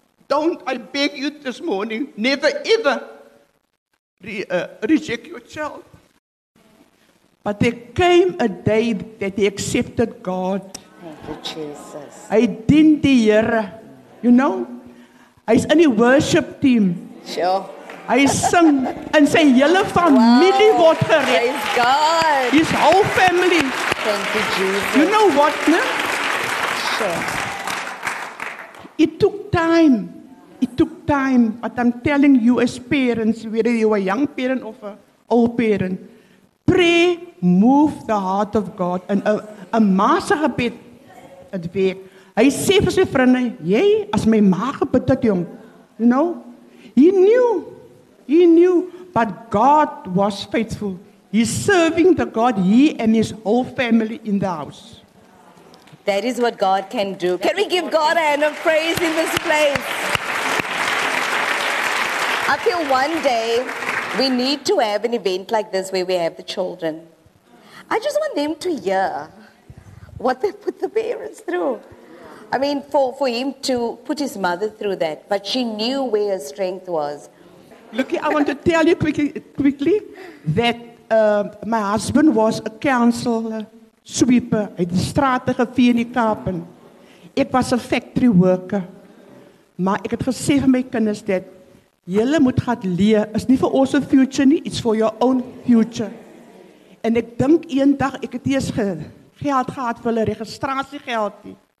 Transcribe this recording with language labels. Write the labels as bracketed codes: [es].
[en] Don't, I beg you this morning, never ever reject your child. But there came a day that he accepted God. Thank you, Jesus. You know, he's in the worship team. Sure. [af] Hy sing en sy hele familie word gered. [en] Praise God. His whole family. Thank you, Jesus. You know what, ne? Sure. It took time. It took time. But I'm telling you as parents, whether you're a young parent or an old parent, pray, move the heart of God. [af] En a maase gebed, het werk. Hy sê vir sy vriende, jy, as my ma gebid het, jong. [en] You know? He knew, but God was faithful. He's serving the God, he and his whole family in the house. That is what God can do. Can we give God a hand of praise in this place? I feel one day we need to have an event like this where we have the children. I just want them to hear what they put the parents through. I mean, for him to put his mother through that, but she knew where her strength was. Looky, I want to tell you quickly that my husband was a council sweeper. [af] Hy het strate gevee in die Kaap. Ek was [en] a factory worker. [af] Maar ek het gesê vir my kinders dat julle moet gaan leer. Is nie vir ons 'n future nie, [en] it's for your own future. [af] En ek dink eendag ek het eers geld gehad vir hulle registrasiegeld nie.